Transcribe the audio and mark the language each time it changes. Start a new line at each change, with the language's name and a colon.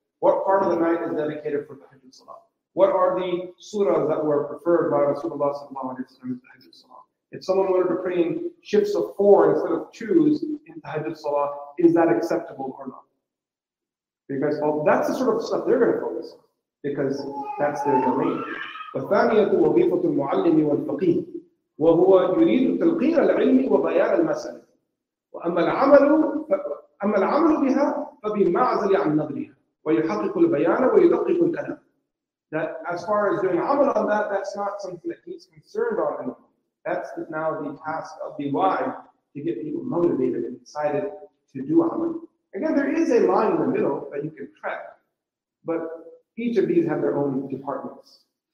English: What part of the night is dedicated for Tahajjud Salah? What are the surahs that were preferred by Rasulullah sallallahu alayhi wa sallam in Tahajjud Salah? If someone wanted to pray in shifts of four instead of twos in Tahajjud Salah, is that acceptable or not? Because well, that's the sort of stuff they're going to focus on, because that's their domain.
Arabic: الثانية وظيفة المعلم والفقيه وهو يريد تلقين العلم وبيان المسألة وأما العمل بها فبمعزل عن نظرها ويحقق البيان ويدقق الكلام.
English: That as far as doing amal on that, that's not something that he's concerned on anymore. That's now the task of the wise, to get people motivated and excited to do amal. Again, there is a line in the middle that you can track, but each of these have their own departments.